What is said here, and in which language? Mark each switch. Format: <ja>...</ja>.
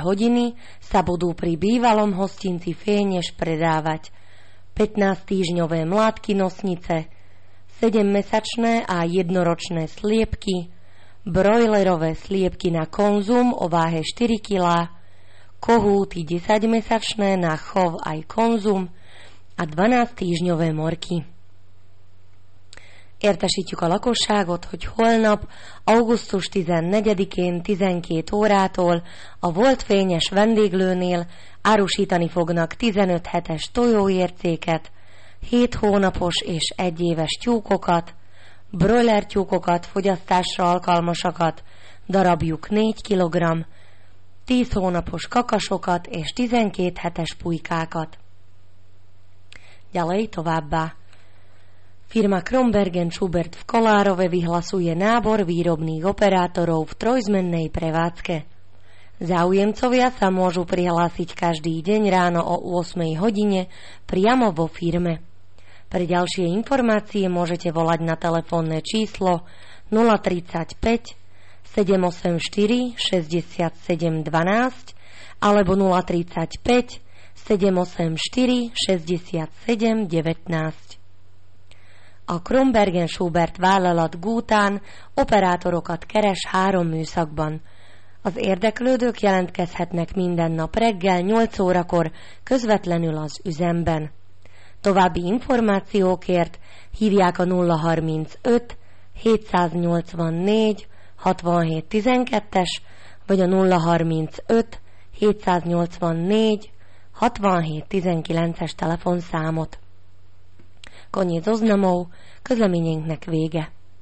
<sk>hodiny sa budú pri bývalom hostinci Fénieš predávať 15-týždňové mládky nosnice, 7-mesačné a jednoročné sliepky, brojlerové sliepky na konzum o váhe 4 kg, kohúty 10-mesačné na chov aj konzum a 12-týždňové morky.</sk> <hu>Értesítjük a lakosságot, hogy holnap, augusztus 14-én 12 órától a volt Fényes vendéglőnél árusítani fognak 15 hetes tojóércéket, 7 hónapos és 1 éves tyúkokat, broiler tyúkokat, fogyasztásra alkalmasakat, darabjuk 4 kg, 10 hónapos kakasokat és 12 hetes pulykákat.</hu> <sk>Ďalej továbbá. Firma Krombergen Schubert v Kolárove vyhlasuje nábor výrobných operátorov v trojzmennej prevádzke. Záujemcovia sa môžu prihlásiť každý deň ráno o 8 hodine priamo vo firme. Pre ďalšie informácie môžete volať na telefónne číslo 035 784 67 12 alebo 035 784 67 19.</sk> <hu>A Krombergen Schubert vállalat Gútán operátorokat keres 3 műszakban. Az érdeklődők jelentkezhetnek minden nap reggel 8 órakor közvetlenül az üzemben. További információkért hívják a 035 784 67 12-es vagy a 035 784 67 19-es telefonszámot.</hu> <sk>Koniec oznamov,</sk> <hu>közleményénknek vége.</hu>